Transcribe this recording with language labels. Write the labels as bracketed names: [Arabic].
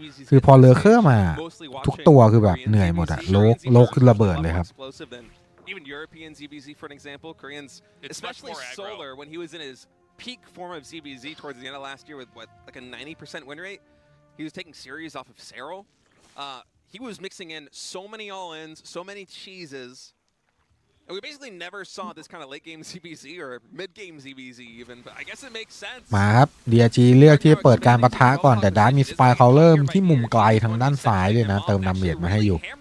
[Thai] คือพอเลอร์เคอร์มาทุกตัวคือแบบเหนื่อยหมดอะโลกคือระเบิดเลยครับ [English] Even European ZBZ, for an example, Koreans, especially Solar, when he was in his peak form of ZBZ towards the end of last year with, what, like a 90% win rate, he was taking series off of Serral. He was mixing in so many all-ins, so many cheeses, and we basically never saw this kind of late-game ZBZ or mid-game ZBZ even, but I guess it makes sense. [Thai] มาครับ DRG เลือกที่จะเปิดการปะทะก่อนแต่ดันมีสปายเขาเริ่มที่มุมไกลทางด้านซ้ายด้วยนะเติมดาเมจมาให้อยู่